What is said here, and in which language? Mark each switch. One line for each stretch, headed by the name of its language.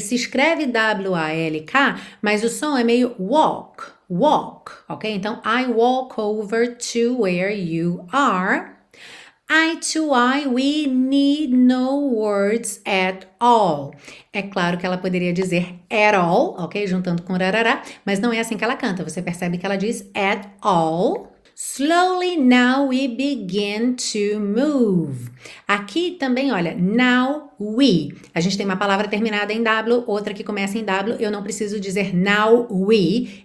Portuguese: Se escreve W-A-L-K, mas o som é meio walk, ok?
English: Então, I walk over to where you are. Eye to eye, we need no words at all.
Portuguese: É claro que ela poderia dizer at all, ok? Juntando com rarará, mas não é assim que ela canta. Você percebe que ela diz at all.
English: Slowly now we begin to move.
Portuguese: Aqui também, olha, now we. A gente tem uma palavra terminada em W, outra que começa em W. Eu não preciso dizer now we.